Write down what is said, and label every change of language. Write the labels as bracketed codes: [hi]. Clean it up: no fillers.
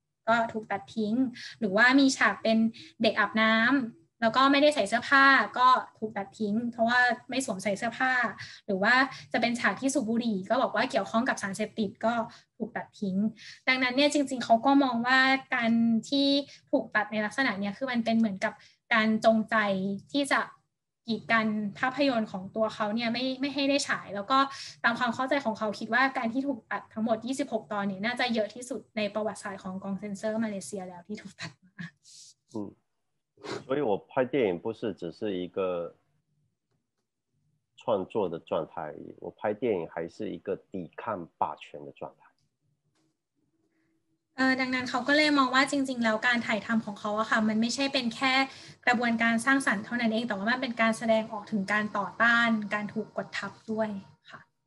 [th] ก็ถูกตัดทิ้งหรือว่ามีฉากเป็นเด็กอาบน้ำแล้วก็ไม่ได้ใส่เสื้อผ้าก็ถูกตัดทิ้งเพราะว่าไม่สวมใส่เสื้อผ้าหรือว่าจะเป็นฉากที่สูบบุหรี่ก็บอกว่าเกี่ยวข้องกับสารเสพติดก็ถูกตัดทิ้งดังนั้นเนี่ยจริงๆเขาก็มองว่าการที่ถูกตัดในลักษณะเนี้ยคือมันเป็นเหมือนกับการจงใจที่จะ กีดกันภาพยนตร์ของตัวเขาเนี่ยไม่ให้ได้ฉายแล้วก็ตามความเข้าใจของเขาคิดว่าการที่ถูกตัดทั้งหมด26 ตอนเนี่ยน่าจะเยอะที่สุดในประวัติศาสตร์ของกองเซ็นเซอร์มาเลเซียแล้วที่ถูกตัดมา [zh] 所以我拍电影不是只是一个创作的状态我拍电影还是一个抵抗霸权的状态 [th] ดังนั้นเขาก็เลยมองว่าจริงๆแล้วการถ่ายทำของเขาอะค่ะมันไม่ใช่เป็นแค่กระบวนการสร้างสรรค์เท่านั้นเองแต่ว่ามันเป็นการแสดงออกถึงการต่อต้านการถูกกดทับด้วยค่ะ